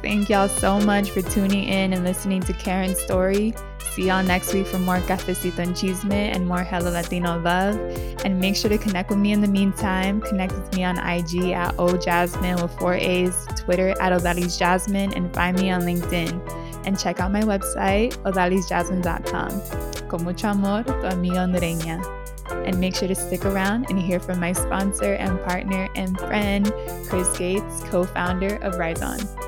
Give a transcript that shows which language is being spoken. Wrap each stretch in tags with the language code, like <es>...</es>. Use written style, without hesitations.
<en>Thank y'all so much for tuning in and listening to Karen's story. See y'all next week for more Cafecito en Chisme and more Hello Latino love. And make sure to connect with me in the meantime. Connect with me on IG at ojasmine with 4 A's, Twitter at odalisjasmine, and find me on LinkedIn. And check out my website, odalisjasmine.com.</en> <es>Con mucho amor, tu amiga hondureña.</es> <en>And make sure to stick around and hear from my sponsor and partner and friend, Chris Gates, co-founder of Rise On.</en>